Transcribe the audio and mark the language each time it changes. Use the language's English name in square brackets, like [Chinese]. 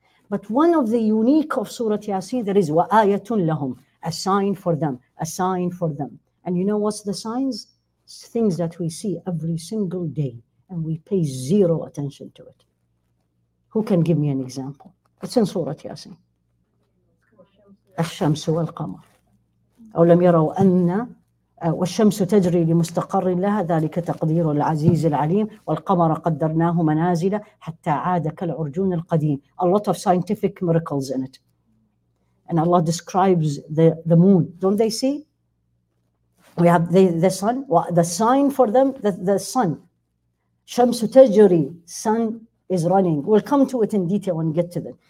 [English] But one of the unique of Surah Yasin, there is [Arabic] وَآيَةٌ لَهُمْ, [English] a sign for them, a sign for them. And you know what's the signs? Things that we see every single day and we pay zero attention to it. Who can give me an example? It's in Surah Yasin. [Arabic] الشمس والقمر أو لم يروا أن والشمس تجري لمستقر لها ذلك تقدير العزيز العليم والقمر قدرناه منازل حتى عاد كالعرجون القديم. [English] A lot of scientific miracles in it. And Allah describes the moon. Don't they see? We have the sun, the sign for them, the sun. [Arabic] Shamsu tajri, [English] sun is running. We'll come to it in detail and get to that.